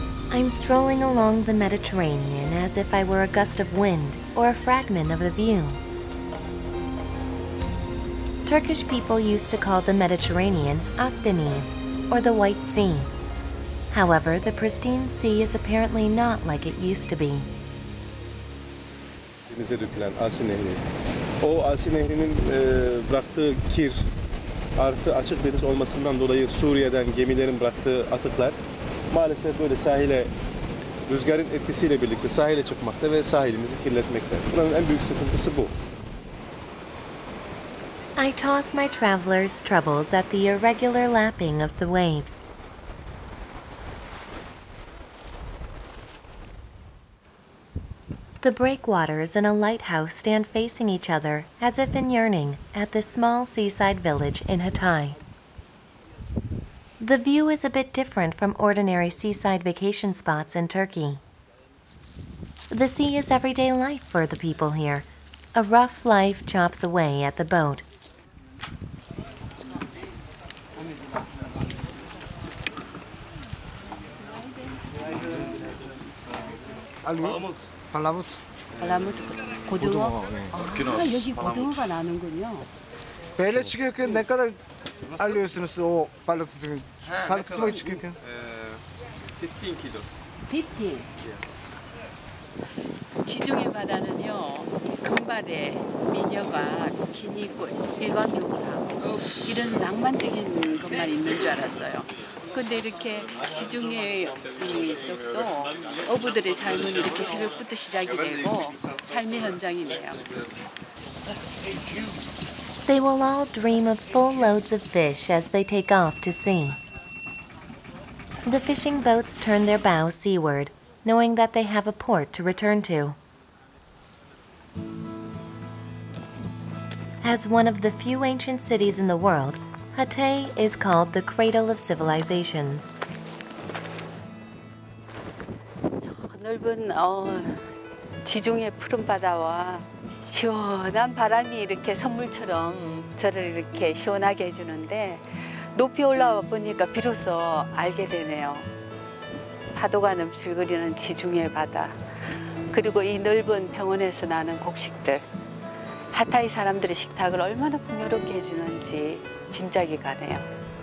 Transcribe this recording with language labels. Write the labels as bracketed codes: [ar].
[en] I'm strolling along the Mediterranean as if I were a gust of wind or a fragment of a view. Turkish people used to call the Mediterranean Akdeniz, or the White Sea. However, the pristine sea is apparently not like it used to be. [tr] Denize dökülen Asi Nehri. O Asi Nehri'nin bıraktığı kir artı açık deniz olmasından dolayı Suriye'den gemilerin bıraktığı atıklar maalesef böyle sahile rüzgarın etkisiyle birlikte sahile çıkmakta ve sahilimizi kirletmekte. Buranın en büyük sıkıntısı bu. [en] I toss my traveler's troubles at the irregular lapping of the waves. The breakwaters and a lighthouse stand facing each other, as if in yearning, at this small seaside village in Hatay. The view is a bit different from ordinary seaside vacation spots in Turkey. The sea is everyday life for the people here. A rough life chops away at the boat. [tr] Palamut. Palamut. Kodumo. Kodumo. [ko] Ah, 여기 고등어가 나는군요. 배에 치킨은 [tr] ne kadar alıyorsunuz o palamut çıkıyor. Palamut çıkıyor. [en] 15 kilos. 50? Yes. [ko] 지중해 바다는요, 금발에 미녀가 비키니 입고 일광욕을 하고 이런 낭만적인 것만 있는 줄 알았어요. 근데 이렇게 지중해 쪽도 어부들의 삶은 이렇게 새벽부터 시작이 되고 삶의 현장이네요. [en] They will all dream of full loads of fish as they take off to sea. The fishing boats turn their bow seaward, knowing that they have a port to return to. As one of the few ancient cities in the world, Hatay is called the cradle of civilizations. [ko] 넓은 지중해 푸른 바다와 시원한 바람이 이렇게 선물처럼 저를 이렇게 시원하게 해주는데 높이 올라와 보니까 비로소 알게 되네요. 파도가 넘실거리는 지중해 바다 그리고 이 넓은 평원에서 나는 곡식들 하타이 사람들의 식탁을 얼마나 풍요롭게 해주는지 짐작이 가네요.